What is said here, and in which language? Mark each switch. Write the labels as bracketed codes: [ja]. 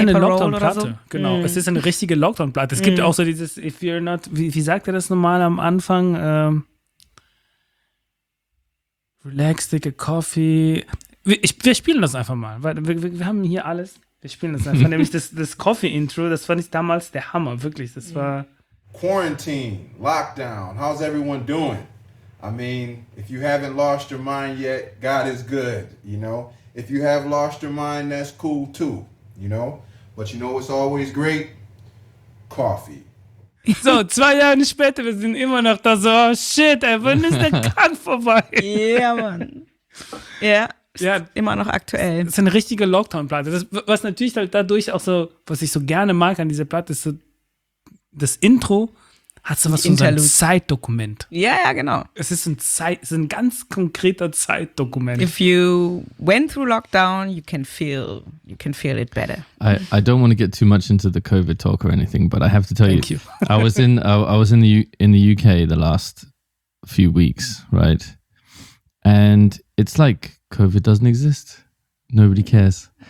[de] eine Lockdown-Platte, genau. Es ist eine richtige Lockdown-Platte. Es gibt auch so dieses, [en] if you're not, [de] wie sagt er das normal am Anfang? [en] Relax, take a coffee. [de] Wir spielen das einfach mal, weil wir haben hier alles. Wir spielen das einfach, nämlich das Coffee-Intro, das fand ich damals der Hammer, wirklich. Das war [en] Quarantine, Lockdown, how's everyone doing? I mean, if you haven't lost your mind yet, God is good, you know? If you have lost your mind, that's cool too, you know? But you know what's always great? Coffee. [de] So, 2 Jahre später, wir sind immer noch da so, oh shit, ey, wann ist der Kampf vorbei? [en] Yeah, man. [de] Ja, immer noch aktuell. Das ist eine richtige Lockdown-Platte. Was natürlich halt dadurch auch so, was ich so gerne mag an dieser Platte, ist so, das Intro hat so was von so einem Zeitdokument. Ja, ja, genau. Es ist ein ganz konkreter Zeitdokument. [en] If you went through lockdown, you can feel it better. I don't want to get too much into the COVID talk or anything, but I have to tell Thank you. I was in the UK the last few weeks, right? And it's like COVID doesn't exist. Nobody cares.